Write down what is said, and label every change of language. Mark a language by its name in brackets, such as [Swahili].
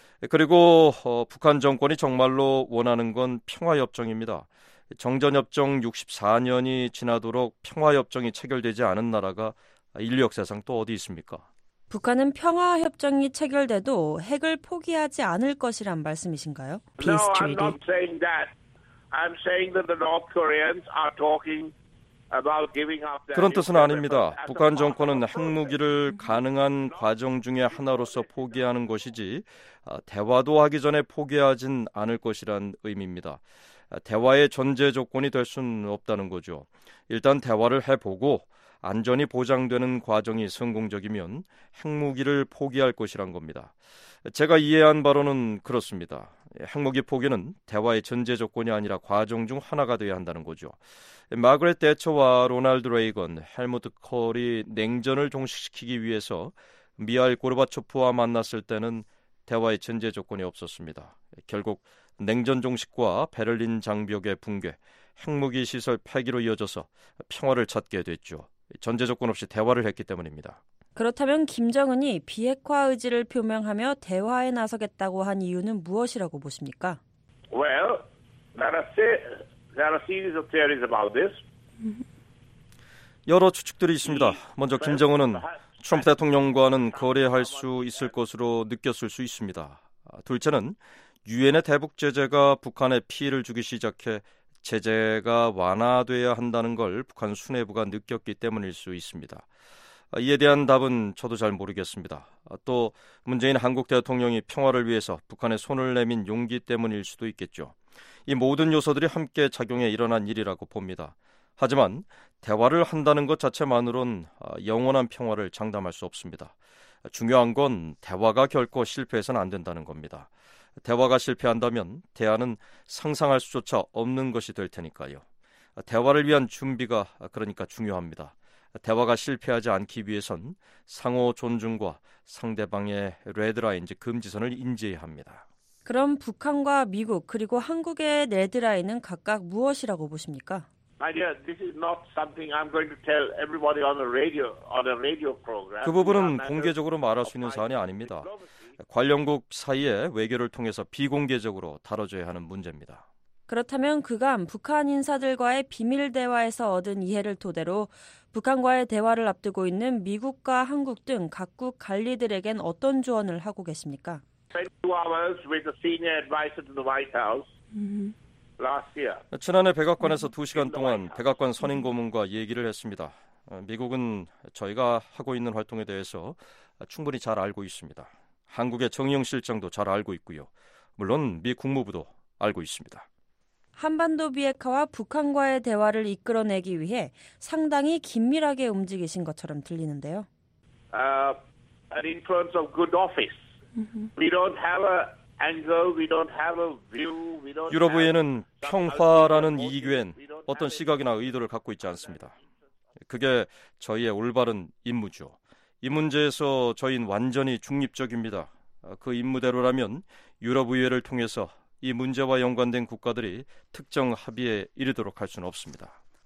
[Korean] 그리고 북한 정권이 정말로 원하는 건 평화협정입니다. 정전협정 64년이 지나도록 평화협정이 체결되지 않은 나라가 인류 역사상 또 어디 있습니까? 북한은 평화협정이 체결돼도 핵을 포기하지 않을 것이란 말씀이신가요? [English] Peace Treaty. No, I'm not saying that. I'm saying that the North Koreans are talking about giving up. [Korean] 그런 뜻은 아닙니다. 북한 정권은 핵무기를 가능한 과정 중에 하나로서 포기하는 것이지 대화도 하기 전에 포기하진 않을 것이란 의미입니다. 대화의 전제 조건이 될 수는 없다는 거죠. 일단 대화를 해보고 안전이 보장되는 과정이 성공적이면 핵무기를 포기할 것이란 겁니다. 제가 이해한 바로는 그렇습니다. 핵무기 포기는 대화의 전제 조건이 아니라 과정 중 하나가 되어야 한다는 거죠. 마그렛 대처와 로널드 레이건, 헬무트 콜이 냉전을 종식시키기 위해서 미하일 고르바초프와 만났을 때는 대화의 전제 조건이 없었습니다. 결국 냉전 종식과 베를린 장벽의 붕괴, 핵무기 시설 폐기로 이어져서 평화를 찾게 됐죠. 전제 조건 없이 대화를 했기 때문입니다. 그렇다면 김정은이 비핵화 의지를 표명하며 대화에 나서겠다고 한 이유는 무엇이라고 보십니까? [English] Well, there are a series of theories about this. [Korean] 여러 추측들이 있습니다. 먼저 김정은은 트럼프 대통령과는 거래할 수 있을 것으로 느꼈을 수 있습니다. 둘째는 유엔의 대북 제재가 북한에 피해를 주기 시작해 제재가 완화돼야 한다는 걸 북한 수뇌부가 느꼈기 때문일 수 있습니다. 이에 대한 답은 저도 잘 모르겠습니다. 또 문재인 한국 대통령이 평화를 위해서 북한에 손을 내민 용기 때문일 수도 있겠죠. 이 모든 요소들이 함께 작용해 일어난 일이라고 봅니다. 하지만 대화를 한다는 것 자체만으로는 영원한 평화를 장담할 수 없습니다. 중요한 건 대화가 결코 실패해서는 안 된다는 겁니다. 대화가 실패한다면 대안은 상상할 수조차 없는 것이 될 테니까요. 대화를 위한 준비가 그러니까 중요합니다. 대화가 실패하지 않기 위해선 상호 존중과 상대방의 레드라인, 즉 금지선을 인지해야 합니다. 그럼 북한과 미국 그리고 한국의 레드라인은 각각 무엇이라고 보십니까? [English] My dear, this is not something I'm going to tell everybody on a radio program. [Korean] 그 부분은 공개적으로 말할 수 있는 사안이 아닙니다. 관련국 사이의 외교를 통해서 비공개적으로 다뤄져야 하는 문제입니다. 그렇다면 그간 북한 인사들과의 비밀 대화에서 얻은 이해를 토대로 북한과의 대화를 앞두고 있는 미국과 한국 등 각국 관리들에겐 어떤 조언을 하고 계십니까? [English] 22 hours with a senior advisor to the White House. Last year. [Korean] 지난해 백악관에서 2시간 동안 백악관 선임 고문과 얘기를 했습니다. 미국은 저희가 하고 있는 활동에 대해서 충분히 잘 알고 있습니다. 한국의 정의용 실장도 잘 알고 있고요. 물론 미 국무부도 알고 있습니다. 한반도 비핵화와 북한과의 대화를 이끌어내기 위해 상당히 긴밀하게 움직이신 것처럼 들리는데요. [English] An influence of good office. We don't have a angle, we don't have a view. [Korean] 유럽의회는 평화라는 이익엔 어떤 시각이나 의도를 갖고 있지 않습니다. 그게 저희의 올바른 임무죠. 이 문제에서 저희는 완전히 중립적입니다. 그 임무대로라면 유럽의회를 통해서 이 문제와 연관된 국가들이 특정 합의에 이르도록 할 수는 없습니다.